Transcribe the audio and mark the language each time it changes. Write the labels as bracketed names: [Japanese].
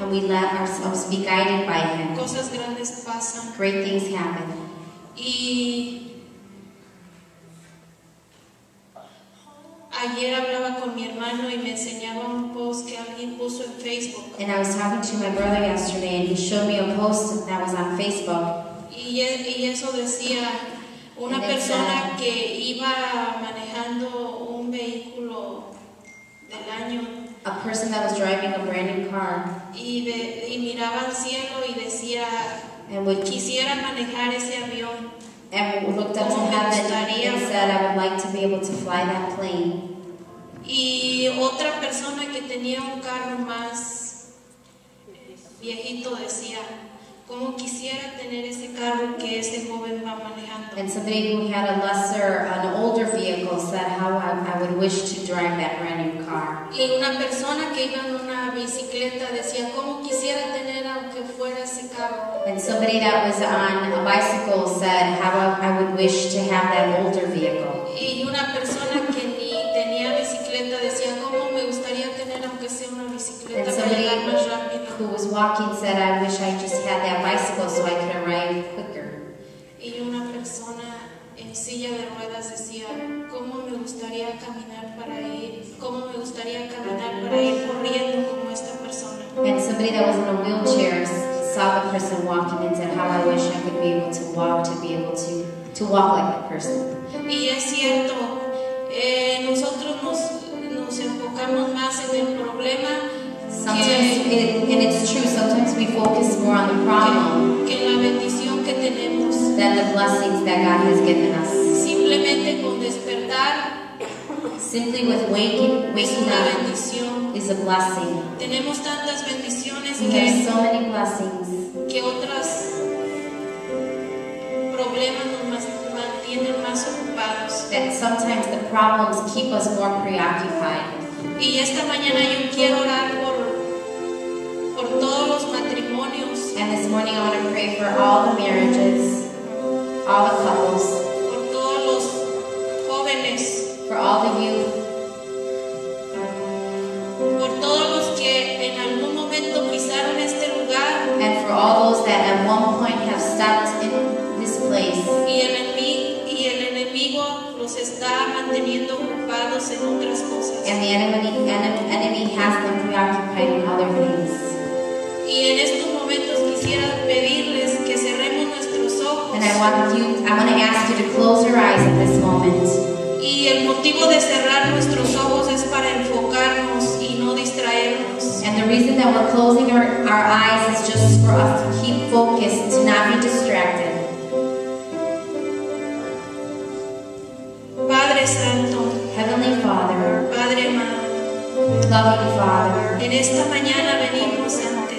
[English] And we let ourselves be guided by him. [Spanish] Cosas grandes pasan. [English] Great things happen. [Spanish] Y ayer hablaba con mi hermano y me enseñaba un post que alguien puso en Facebook. [English] And I was talking to my brother yesterday and he showed me a post that was on Facebook. [Spanish] Y y eso decía una persona que iba manejando un vehículo del año. [English] A person that was driving a brand new car. [Spanish] Y miraba al cielo y decía, quisiera manejar ese avión. [English] And we looked up to heaven and said, I would like to be able to fly that plane. [Spanish] Y otra persona que tenía un carro más viejito decía, como quisiera tener ese carro que ese joven va manejando. [English] And somebody who had a lesser, an older vehicle said, how I would wish to drive that brand new car. [Spanish] Y una persona que iba en una bicicleta decía, como quisiera tener aunque fuera ese carro. [English] And somebody that was on a bicycle said, how I would wish to have that older vehicle. [Spanish] Y una persona que ni tenía bicicleta decía, como me gustaría tener aunque sea una bicicleta para llegar más rápido. [English] Who was walking said, I wish I just had that bicycle so I could arrive quicker. [Spanish] Y una persona en silla de ruedas decía, ¿cómo me gustaría caminar para ir? ¿Cómo me gustaría caminar para ir corriendo como esta persona? [English] And somebody that was in a wheelchair saw the person walking and said, how I wish I could be able to walk, to be able to walk like that person. [Spanish] Y es cierto, nosotros nos enfocamos más en el problema. [English] Sometimes we focus more on the problem than the blessings that God has given us. [Spanish] Simplemente con despertar, [English] simply with waking up is a blessing. [Spanish] Tenemos tantas bendiciones [English] we have so many blessings [Spanish] que otras problemas nos mantienen más ocupados. [English] That sometimes the problems keep us more preoccupied. [Spanish] Y esta mañana yo quiero orar por todos los matrimonios. [English] And this morning I want to pray for all the marriages, all the couples, [Spanish] por todos los jóvenes, [English] for all the youth, [Spanish] por todos los que en algún momento pisaron este lugar, [English] and for all those that at one point have stepped in this place, [Spanish] y el enemigo los está manteniendo ocupados en otras cosas, [English] and the enemy has them preoccupied in other things. [Spanish] Y en estos momentos quisiera pedirles que cerremos nuestros ojos. [English] And I want to ask you to close your eyes at this moment. [Spanish] Y el motivo de cerrar nuestros ojos es para enfocarnos y no distraernos. [English] And the reason that we're closing our eyes is just for us to keep focused, to not be distracted. [Spanish] Padre Santo. [English] Heavenly Father. [Spanish] Padre Amado. [English] Loving Father. [Spanish] En esta mañana venimos a